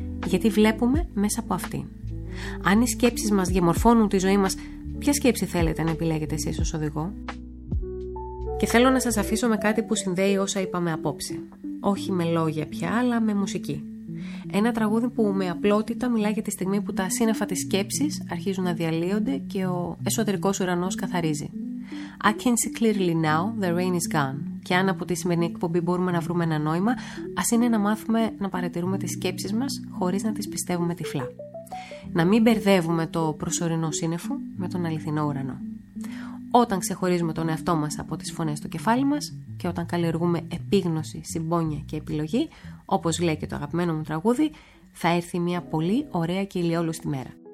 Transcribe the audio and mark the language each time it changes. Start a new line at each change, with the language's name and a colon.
Greek: Γιατί βλέπουμε μέσα από αυτήν. Αν οι σκέψεις μας διαμορφώνουν τη ζωή μας, ποια σκέψη θέλετε να επιλέγετε εσείς ως οδηγό? Και θέλω να σας αφήσω με κάτι που συνδέει όσα είπαμε απόψε. Όχι με λόγια πια, αλλά με μουσική. Ένα τραγούδι που με απλότητα μιλάει για τη στιγμή που τα σύννεφα της σκέψης αρχίζουν να διαλύονται και ο εσωτερικός ουρανός καθαρίζει.
English: I can see clearly now, the rain is gone.
Greek: Και αν από τη σημερινή εκπομπή μπορούμε να βρούμε ένα νόημα, ας είναι να μάθουμε να παρατηρούμε τις σκέψεις μας χωρίς να τις πιστεύουμε τυφλά. Να μην μπερδεύουμε το προσωρινό σύννεφο με τον αληθινό ουρανό. όταν ξεχωρίζουμε τον εαυτό μας από τις φωνές στο κεφάλι μας και όταν καλλιεργούμε επίγνωση, συμπόνια και επιλογή, όπως λέει και το αγαπημένο μου τραγούδι, θα έρθει μια πολύ ωραία και ηλιόλουστη μέρα.